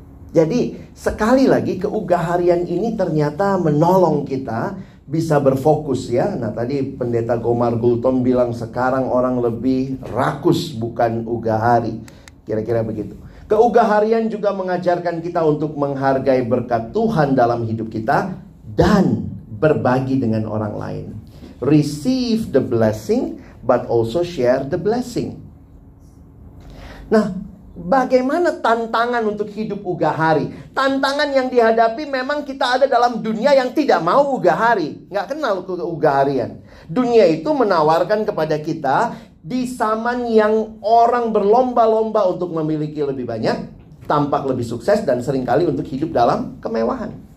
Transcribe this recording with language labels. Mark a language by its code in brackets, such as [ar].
[id] Jadi sekali lagi keugaharian ini ternyata menolong kita bisa berfokus ya. Nah, tadi Pendeta Gomar Gultom bilang sekarang orang lebih rakus bukan ugahari. Kira-kira begitu. Keugaharian juga mengajarkan kita untuk menghargai berkat Tuhan dalam hidup kita dan berbagi dengan orang lain. [en] Receive the blessing, but also share the blessing. [id] Nah, bagaimana tantangan untuk hidup ugahari? Tantangan yang dihadapi memang kita ada dalam dunia yang tidak mau ugahari. Nggak kenal keugaharian. Dunia itu menawarkan kepada kita di zaman yang orang berlomba-lomba untuk memiliki lebih banyak, tampak lebih sukses, dan seringkali untuk hidup dalam kemewahan.